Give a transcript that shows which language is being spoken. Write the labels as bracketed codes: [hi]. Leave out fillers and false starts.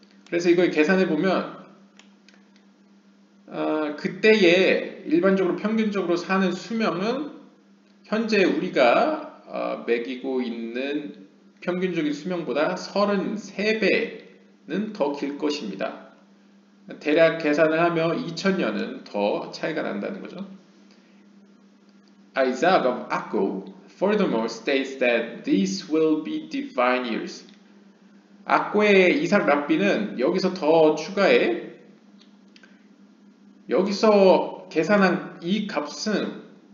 [ko] 그래서 이걸 계산해 보면 그때의 일반적으로 평균적으로 사는 수명은 현재 우리가 매기고 있는 평균적인 수명보다 33배는 더길 것입니다. 대략 계산을 하며 2000년은 더 차이가 난다는 거죠. [en] Isaac of 아꼬 furthermore states that these will be divine years. [ko] 아꼬의 이삭 랍비는 여기서 더 추가해 여기서 계산한 이 값은